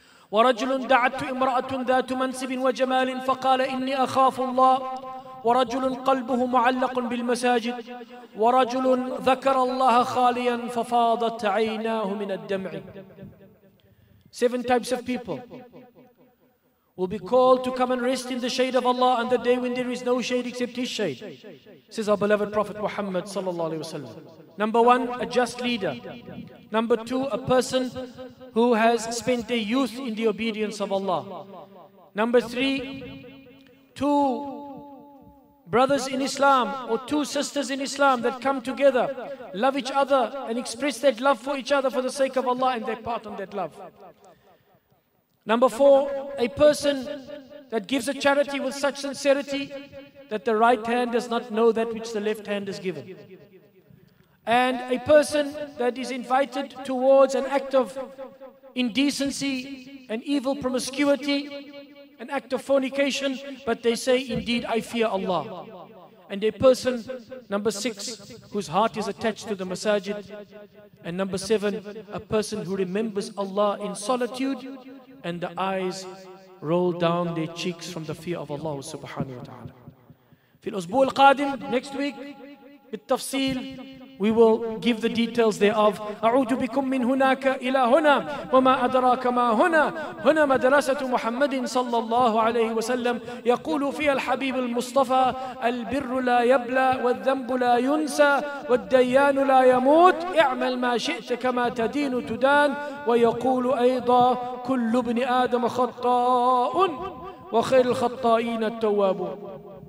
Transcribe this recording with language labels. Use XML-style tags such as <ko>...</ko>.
<ar>ورجل دعت امرأة ذات منصب وجمال فقال إني أخاف الله ورجل قلبه معلق بالمساجد ورجل ذكر الله خاليا ففاضت عيناه من الدمع</ar> <en>Seven types of people will be called to come and rest in the shade of Allah on the day when there is no shade except His shade says our beloved Prophet Muhammad sallallahu alaihi wasallam Number one, a just leader. Number two, a person who has spent their youth in the obedience of Allah. Number three, two brothers in Islam or two sisters in Islam that come together, love each other and express that love for each other for the sake of Allah and take part in that love. Number four, a person that gives a charity with such sincerity that the right hand does not know that which the left hand has given. And a person that is invited towards an act of indecency, an evil promiscuity, an act of fornication, but they say, indeed, I fear Allah. And a person, number six, whose heart is attached to the masajid. And number seven, a person who remembers Allah in solitude and the eyes roll down their cheeks from the fear of Allah subhanahu wa ta'ala.</en> <ar>في الأسبوع القادم,</ar> <en>next week,</en> <ar>بالتفصيل,</ar> <en>We will give the details thereof.</en> <ar>أعوذ بكم من هناك إلى هنا وما أدراك ما هنا هنا مدرسة محمد صلى الله عليه وسلم يقول فيها الحبيب المصطفى البر لا يبلى والذنب لا ينسى والديان لا يموت اعمل ما شئت كما تدين تدان ويقول أيضا كل ابن آدم خطاء وخير الخطائين التوابون</ar>